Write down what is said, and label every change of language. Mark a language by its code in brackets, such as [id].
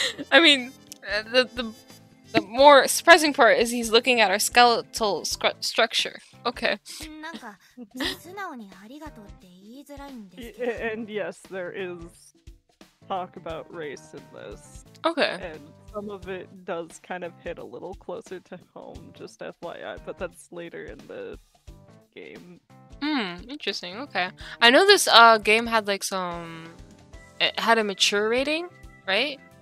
[en] I mean, the more surprising part is he's looking at our skeletal structure. Okay. [ja] なんか、素直にありがとうって言いづらいんですけど。 [en] And yes, there is. Talk about race in this. Okay. And some of it does kind of hit a little closer to home, just FYI, but that's later in the game. Hmm, interesting. Okay. I know this game had like some. It had a mature rating, right?